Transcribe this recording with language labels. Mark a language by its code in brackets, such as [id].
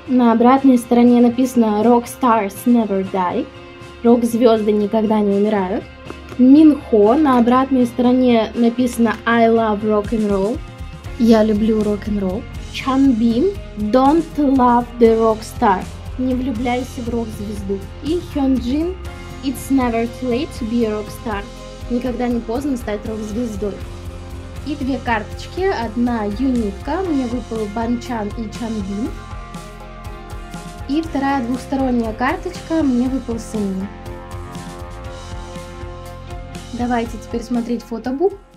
[ru] На обратной стороне написано [en] Rock Stars Never Die. [ru] Рок звезды никогда не умирают. Минхо. На обратной стороне написано [en] I love rock'n'roll. [ru] Я люблю рок-н-ролл. [en] Чанбин. Don't love the rock star. [ru] Не влюбляйся в рок звезду. И Хёнджин. [en] It's never too late to be a rock star. [ru] Никогда не поздно стать рок-звездой. И две карточки. Одна юнитка. Мне выпал Банчан и Чанбин. И вторая двухсторонняя карточка. Мне выпал Сэнмин. Давайте теперь смотреть фотобук.